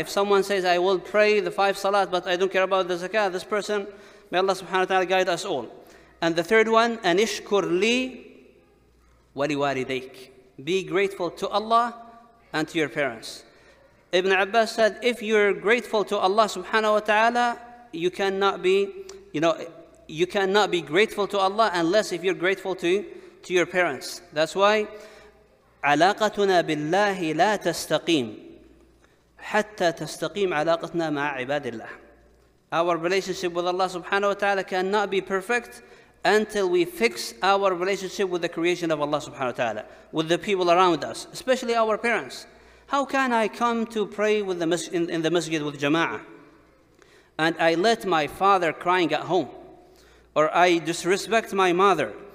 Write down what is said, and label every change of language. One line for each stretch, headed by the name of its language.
English: If someone says, I will pray the 5 salat, but I don't care about the zakah, this person, may Allah subhanahu wa ta'ala guide us all. And the third one,
Arabic: أَنِشْكُرْ لِي وَلِوَالِدَيْكَ.
English: be grateful to Allah and to your parents. Ibn Abbas said, if you're grateful to Allah subhanahu wa ta'ala, you cannot be grateful to Allah unless if you're grateful to your parents. That's why
Arabic: علاقتنا بالله لا تستقيم حتى تستقيم علاقتنا مع عباد الله.
English: Our relationship with Allah subhanahu wa ta'ala cannot be perfect until we fix our relationship with the creation of Allah subhanahu wa ta'ala, with the people around us, especially our parents. How can I come to pray in the masjid with jama'ah and I let my father crying at home, or I disrespect my mother?